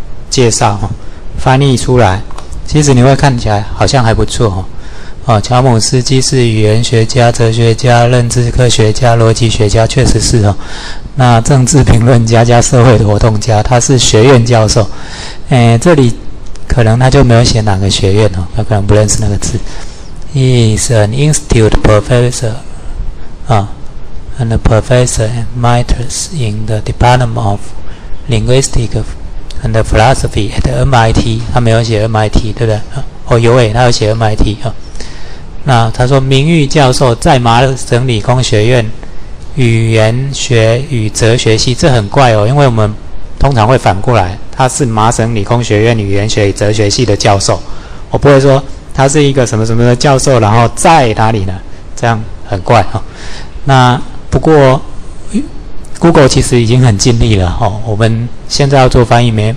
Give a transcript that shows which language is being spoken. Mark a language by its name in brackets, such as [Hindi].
[Chinese] 介绍、啊、翻译出来，其实你会看起来好像还不错、啊哦、乔姆斯基是语言学家、哲学家、认知科学家、逻辑学家，确实是、哦、那政治评论家加社会活动家，他是学院教授。这里可能他就没有写哪个学院、哦、他可能不认识那个字。 [English] He is an institute professor、and a professor emeritus in the Department of Linguistics and Philosophy at MIT。 [Chinese] 他没有写 MIT 对不对、哦、有耶，他有写 MIT、哦，那他说名誉教授在麻省理工学院语言学与哲学系，这很怪哦，因为我们通常会反过来，他是麻省理工学院语言学与哲学系的教授，我不会说他是一个什么什么的教授然后在哪里呢，这样很怪、哦、那不过 Google 其实已经很尽力了、哦、我们现在要做翻译